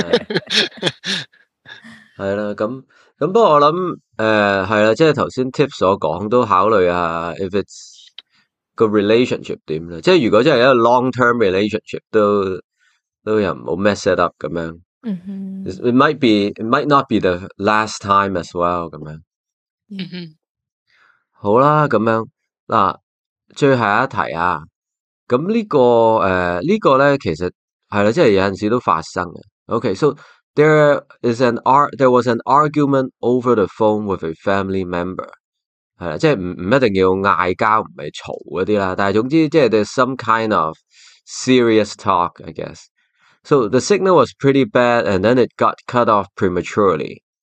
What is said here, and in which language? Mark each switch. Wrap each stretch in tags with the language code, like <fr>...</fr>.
<yue>Yeah， 系啦，咁不过我谂系啦，即系头先 tip 所讲，都考虑下</yue> <en>if it's。</en> <yue>个 relationship 点咧？即系如果真系一个 long term relationship， 都又唔好</yue> <en>mess it up</en> <yue>咁样。</yue> <en>It might be, it might not be the last time as well 咁样。</en> <yue>好啦，咁样嗱，最后一题啊。咁呢、这个呢、这个咧，其实系啦，即系有阵时都发生嘅。</yue> <en>Okay, so there was an argument over the phone with a family member.</en> <yue>即是唔一定要嗌交，唔係嘈嗰啲啦，但係总之即係</yue> <en>there's some kind of serious talk, I guess. So the signal was pretty bad and then it got cut off prematurely.</en>